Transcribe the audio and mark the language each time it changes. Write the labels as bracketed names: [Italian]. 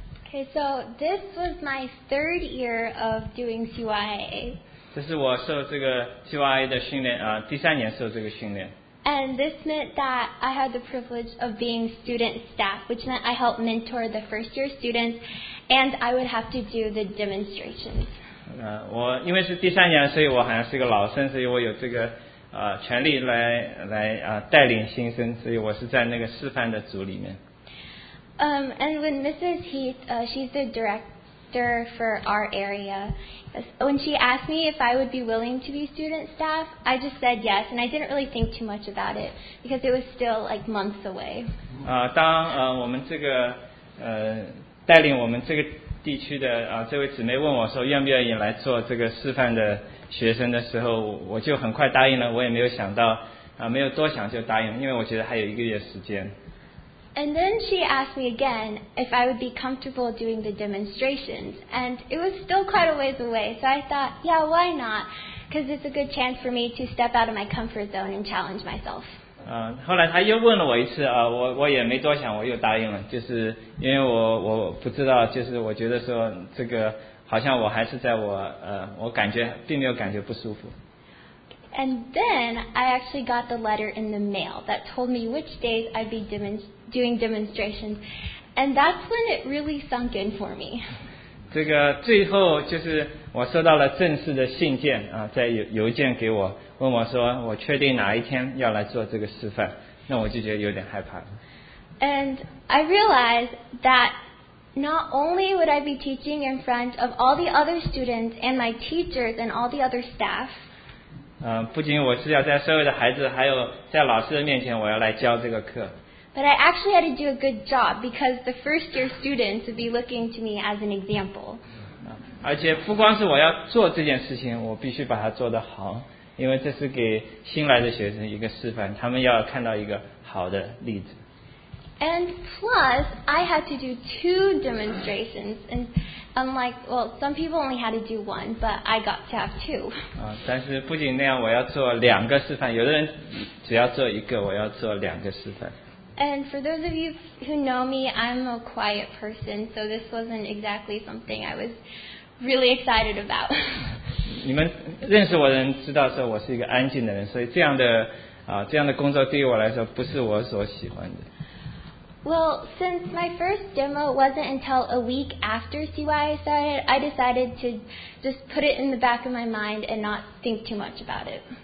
[English] Okay, so this was my third year of doing CYA. [Chinese] 这是我受这个 CYA 的训练第三年受这个训练。 [English] And this meant that I had the privilege of being student staff, which meant I helped mentor the first year students, and I would have to do the demonstrations. [Chinese] 我因为是第三年，所以我好像是一个老生，所以我有这个权利来带领新生，所以我是在那个示范的组里面。 [English] And when Mrs. Heath, she's the director for our area. When she asked me if I would be willing to be student staff, I just said yes, and I didn't really think too much about it because it was still like months away. [Chinese] 当我们这个带领我们这个地区的这位姊妹问我说愿不愿意来做这个示范的学生的时候，我就很快答应了。我也没有想到没有多想就答应，因为我觉得还有一个月时间。 [English] And then she asked me again if I would be comfortable doing the demonstrations. And it was still quite a ways away. So I thought, yeah, why not? Because it's a good chance for me to step out of my comfort zone and challenge myself. [Chinese] 后来她又问了我一次我也没多想，我又答应了。就是因为我不知道，就是我觉得说这个好像我还是在我感觉并没有感觉不舒服。 [English] And then I actually got the letter in the mail that told me which days I'd be doing demonstrations. And that's when it really sunk in for me. [Chinese] 这个最后就是我收到了正式的信件在邮件给我，问我说我确定哪一天要来做这个示范，那我就觉得有点害怕。 [English] And I realized that not only would I be teaching in front of all the other students and my teachers and all the other staff, [Chinese] 不仅我是要在所有的孩子还有在老师的面前我要来教这个课。 [English] But I actually had to do a good job because the first year students would be looking to me as an example. [Chinese] 而且不光是我要做这件事情，我必须把它做得好，因为这是给新来的学生一个示范，他们要看到一个好的例子。 [English] And plus, I had to do two demonstrations. And I'm like, well, some people only had to do one, but I got to have two. [Chinese] 但是不仅那样，我要做两个示范。有的人只要做一个，我要做两个示范。 [English] And for those of you who know me, I'm a quiet person, so this wasn't exactly something I was really excited about. [Chinese] 你们认识我的人知道说我是一个安静的人，所以这样的工作对于我来说不是我所喜欢的。 [English] Well, since my first demo wasn't until a week after CYA started, I decided to just put it in the back of my mind and not think too much about it.